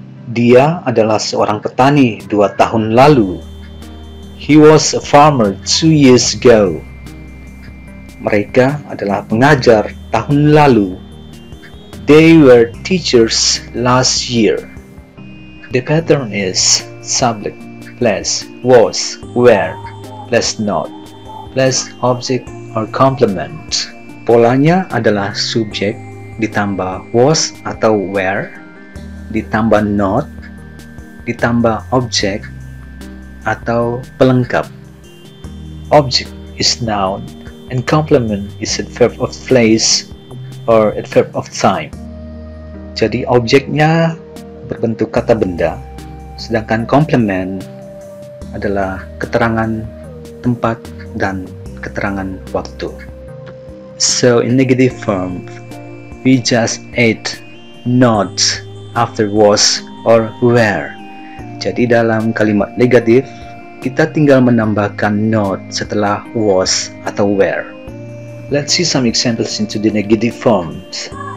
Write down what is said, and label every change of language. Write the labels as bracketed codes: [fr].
[id] Dia adalah seorang petani 2 tahun lalu. [en] He was a farmer 2 years ago. [id] Mereka adalah pengajar tahun lalu. [en] They were teachers last year. The pattern is subject plus was, were plus not plus object or complement. [id] Polanya adalah subjek ditambah was atau were, ditambah not, ditambah objek atau pelengkap. [en] Object is noun and complement is adverb of place or adverb of time. [id] Jadi objeknya berbentuk kata benda, sedangkan complement adalah keterangan tempat dan keterangan waktu. [en] So in negative form, we just add not after was or were. [id] Jadi dalam kalimat negatif, kita tinggal menambahkan not setelah was atau were. [en] Let's see some examples into the negative forms.